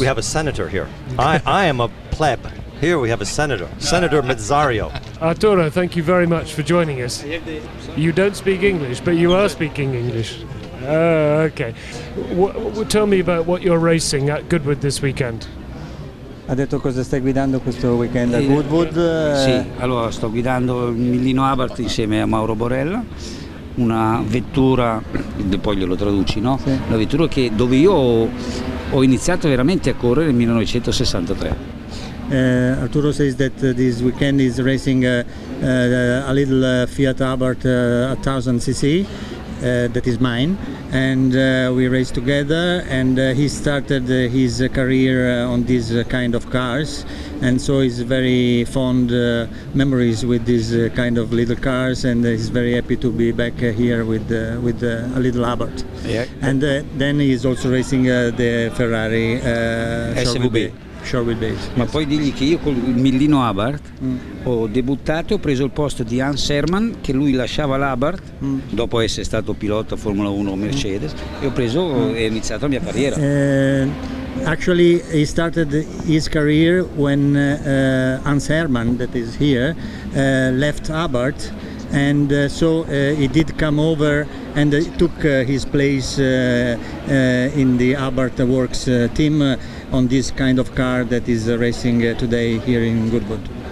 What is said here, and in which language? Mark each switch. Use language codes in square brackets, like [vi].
[en] we have a senator here. I am a pleb. Here we have a senator. Senator Mazzario. Arturo, thank you very much for joining us. You don't speak English, but you are speaking English. Okay. Tell me about what you're racing at Goodwood this weekend. [it] Ha detto cosa stai guidando questo weekend a Goodwood? Sì, allora sto guidando il Millino Abarth insieme a Mauro Borella, una vettura, poi glielo traduci, no? Sì. La vettura che dove io ho iniziato veramente a correre nel 1963. [en] Arturo says that this weekend is racing a little Fiat Abarth 1000cc. That is mine, and we raced together, and he started his career on these kind of cars, and so he's very fond memories with these kind of little cars, and he's very happy to be back here with a little Abarth. Yeah. And then he's also racing the Ferrari SVB. Short wheelbase. [it] Ma yes. Poi digli che io col Millino Abarth ho debuttato e ho preso il posto di Hans Herrmann, che lui lasciava l'Abarth dopo essere stato pilota Formula 1 Mercedes, e ho preso e ho iniziato la mia carriera. [en] Actually, he started his career when Hans Herrmann, that is here, left Abarth, and he did come over and took his place in the Abarth Works team on this kind of car that is racing today here in Goodwood.